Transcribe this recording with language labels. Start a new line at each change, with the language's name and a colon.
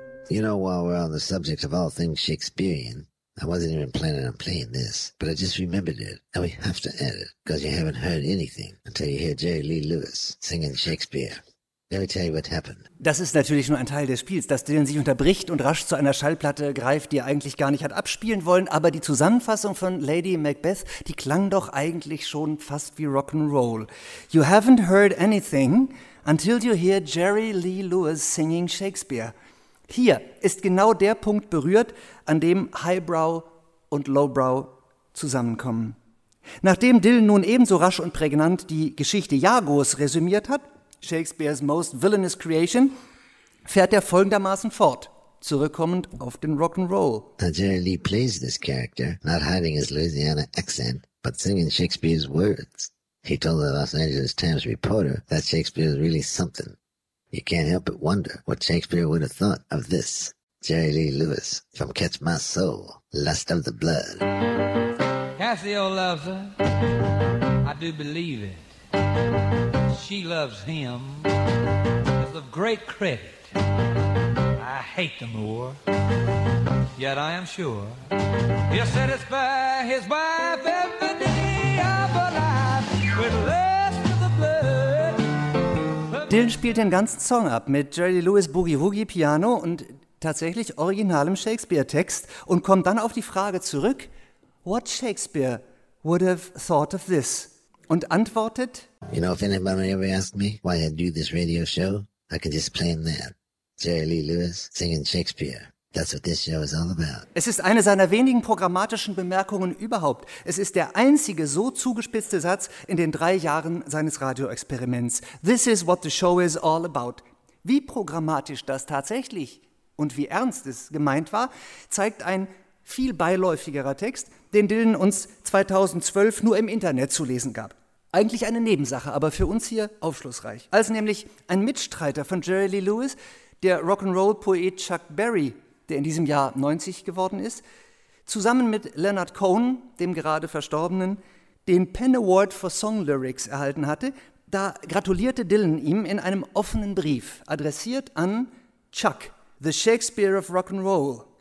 English: You know, while we're on the subject of all things Shakespearean, I wasn't even planning on playing this, but I just remembered it, and we have to add it, because you haven't heard anything until you hear Jerry Lee Lewis singing Shakespeare. Let me tell you what happened.
German: Das ist natürlich nur ein Teil des Spiels, dass Dylan sich unterbricht und rasch zu einer Schallplatte greift, die er eigentlich gar nicht hat abspielen wollen, aber die Zusammenfassung von Lady Macbeth, die klang doch eigentlich schon fast wie Rock'n'Roll.
English: You haven't heard anything until you hear Jerry Lee Lewis singing Shakespeare.
German: Hier ist genau der Punkt berührt, an dem Highbrow und Lowbrow zusammenkommen. Nachdem Dylan nun ebenso rasch und prägnant die Geschichte Iagos resümiert hat,
English: Shakespeare's most villainous creation,
German: fährt er folgendermaßen fort, zurückkommend auf den Rock'n'Roll.
English: Now Jerry Lee plays this character, not hiding his Louisiana accent, but singing Shakespeare's words. He told the Los Angeles Times reporter that Shakespeare is really something. You can't help but wonder what Shakespeare would have thought of this. Jerry Lee Lewis from Catch My Soul, Lust of the Blood. That's the old love, sir. I do believe it. She loves him. It's of great credit. I hate the Moor. Yet I am sure he'll satisfy his wife every of a life with love.
German: Dylan spielt den ganzen Song ab mit Jerry Lewis Boogie Woogie Piano und tatsächlich originalem Shakespeare-Text und kommt dann auf die Frage zurück,
English: what Shakespeare would have thought of this?
German: Und antwortet,
English: you know, if anybody ever asked me why I do this radio show, I can just play that. Jerry Lee Lewis singing Shakespeare. That's what this show is all about.
German: Es ist eine seiner wenigen programmatischen Bemerkungen überhaupt. Es ist der einzige so zugespitzte Satz in den 3 Jahren seines Radioexperiments.
English: This is what the show is all about.
German: Wie programmatisch das tatsächlich und wie ernst es gemeint war, zeigt ein viel beiläufigerer Text, den Dylan uns 2012 nur im Internet zu lesen gab. Eigentlich eine Nebensache, aber für uns hier aufschlussreich. Als nämlich ein Mitstreiter von Jerry Lee Lewis, der Rock'n'Roll-Poet Chuck Berry, der in diesem Jahr 90 geworden ist, zusammen mit Leonard Cohen, dem gerade Verstorbenen, den Penn Award for Song Lyrics erhalten hatte, da gratulierte Dylan ihm in einem offenen Brief, adressiert an Chuck,
English: the Shakespeare of Rock'n'Roll.